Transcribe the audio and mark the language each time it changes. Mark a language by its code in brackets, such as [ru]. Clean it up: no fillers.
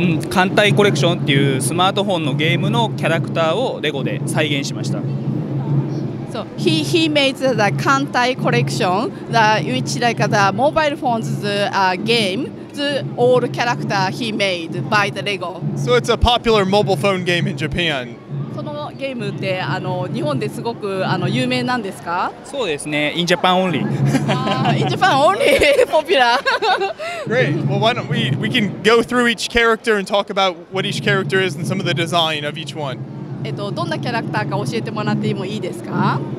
[ja] 艦隊コレクションっていうスマートフォンのゲームのキャラクターをレゴで再現しました。 [en] So, he made the Kantai collection, which like the mobile phones, game, all the character he made by the Lego. So it's a popular mobile phone game in Japan. [ja] そのゲームって日本ですごく有名なんですか？そうですね、 [en] in Japan only. In Japan only popular. Great. Well, why don't we can go through each character and talk about what each character is and some of the design of each one. [ja] どんなキャラクターか教えてもらってもいいですか？